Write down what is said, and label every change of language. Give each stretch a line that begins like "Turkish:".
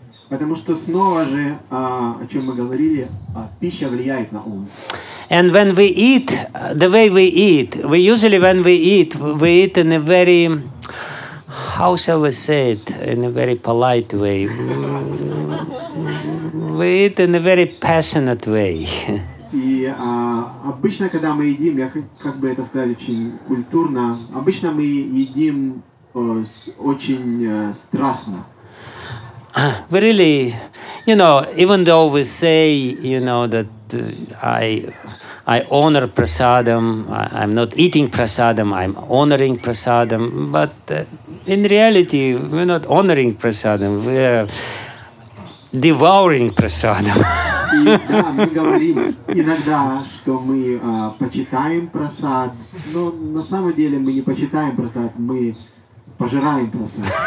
Russian: Потому что снова же, о чем мы говорили, пища влияет на ум.
English: And when we eat, the way we eat, we usually when we eat in a very, how shall we say it, in a very polite way. We eat in a very passionate way.
Russian: И обычно, когда мы едим, я как бы это сказать очень культурно, обычно мы едим очень страстно.
English: We really, you know, even though we say, you know, that I honor prasadam, I'm not eating prasadam, I'm honoring prasadam, but in reality, we're not honoring prasadam, we're devouring prasadam.
Russian: Да, мы говорим иногда, что мы почитаем прасад, но на самом деле мы не почитаем прасад, мы пожираем прасад.